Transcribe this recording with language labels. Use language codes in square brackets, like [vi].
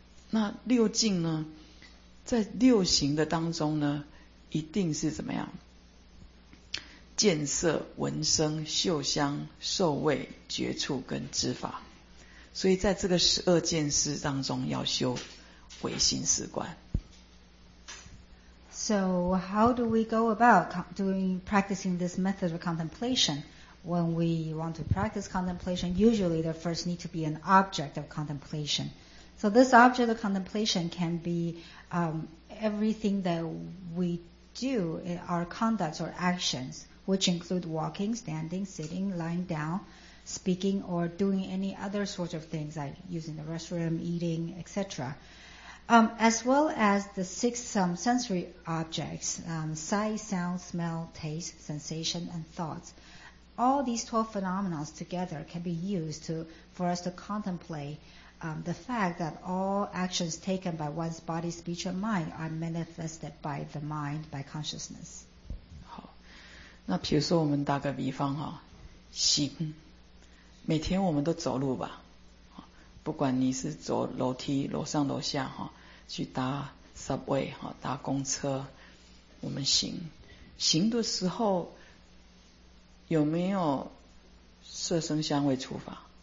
[zh] 那六境呢，在六行的当中呢，一定是怎么样？见色、闻声、嗅香、受味、觉触跟知法，所以在这个十二见识当中，要修唯心识观。 [en] So how do we go about practicing this method of contemplation? When we want to practice contemplation, usually there first need to be an object of contemplation. So this object of contemplation can be everything that we do, our conducts or actions. Which include walking, standing, sitting, lying down, speaking, or doing any other sort of things like using the restroom, eating, etc. As well as the six sensory objects, sight, sound, smell, taste, sensation, and thoughts. All these 12 phenomena together can be used for us to contemplate the fact that all actions taken by one's body, speech, and mind are manifested by the mind, by consciousness. [zh] 那比如说我们打个比方哈，行，每天我们都走路吧，不管你是走楼梯、楼上楼下哈，去搭 subway 哈，搭公车，我们行，行的时候有没有色声香味触法？